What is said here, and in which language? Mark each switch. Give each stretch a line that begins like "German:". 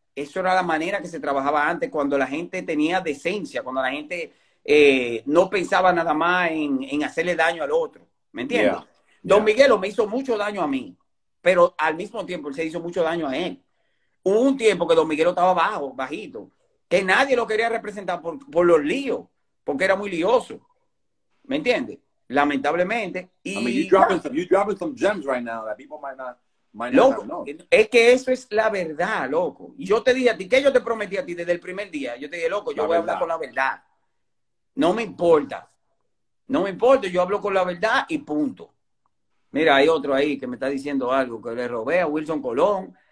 Spanish: Eso era la manera que se trabajaba antes, cuando la gente tenía decencia, cuando la gente no pensaba nada más en hacerle daño al otro. ¿Me entiendes? Yeah. Don Miguelo me hizo mucho daño a mí, pero al mismo tiempo él se hizo mucho daño a él. Hubo un tiempo que Don Miguelo estaba bajito, que nadie lo quería representar por los líos. Porque era muy lioso. ¿Me entiendes? Lamentablemente. Y,
English: I mean, you're dropping some gems right now that people might not
Spanish: loco, know. Es que eso es la verdad, loco. Yo te dije a ti, ¿qué yo te prometí a ti desde el primer día? Yo te dije, loco, yo la voy verdad. A hablar con la verdad. No me importa. No me importa, yo hablo con la verdad y punto. Mira, hay otro ahí que me está diciendo algo, que le robé a Wilson Colón.